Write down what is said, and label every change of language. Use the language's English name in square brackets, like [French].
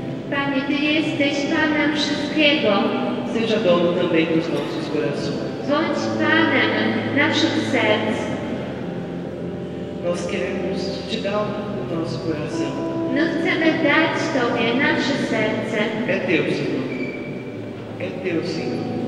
[Polish] Panie, Ty jesteś Panem wszystkiego. [Portuguese] Seja dono também dos nossos corações. [Polish] Bądź Panem naszych serc. [Portuguese] Nós queremos Te dar o nosso coração. [Polish] My chcemy dać Tobie nasze serce. [Portuguese] É Teu, Senhor. É Teu, Senhor.